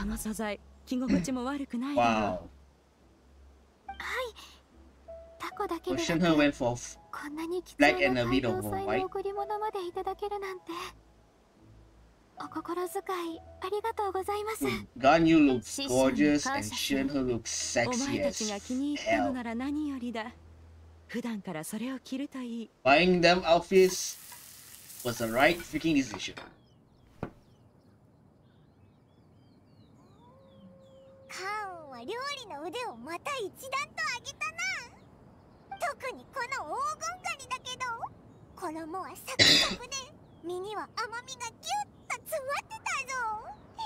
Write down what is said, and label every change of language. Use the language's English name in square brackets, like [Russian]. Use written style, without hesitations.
[Japanese] その素材、着心地も悪くないだろう。はい、タコだけでなく、こんなに貴重な大量祭の贈り物までいただけるなんて、お心遣いありがとうございます。 [English] ガニュー looks gorgeous and Shinho looks sexy as hell. [Japanese] お前たちが気に入ったのなら何よりだ。普段からそれを着るといい。 [English] Buying them outfits was the right freaking decision. [Japanese] カオは料理の腕をまた一段と上げたな。特にこの黄金狩りだけど、衣はサクサクで。身には甘みがギュッと詰まってたぞ。